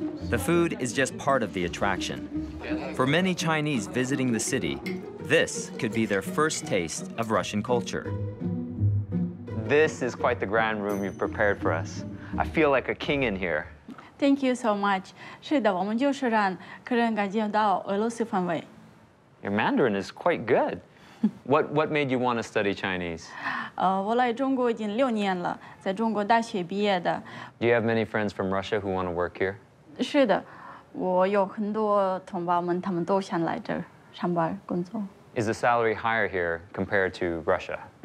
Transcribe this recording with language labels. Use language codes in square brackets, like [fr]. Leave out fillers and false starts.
[en] The food is just part of the attraction. For many Chinese visiting the city, this could be their first taste of Russian culture. This is quite the grand room you've prepared for us. I feel like a king in here. Thank you so much. [zh] 是的，我们就是让客人感觉到俄罗斯氛围。 [en] Your Mandarin is quite good. What made you want to study Chinese? [zh] 我来中国已经六年了，在中国大学毕业的。 [en] Do you have many friends from Russia who want to work here? [zh] 是的，我有很多同胞们，他们都想来这上班工作。 [en] Is the salary higher here compared to Russia?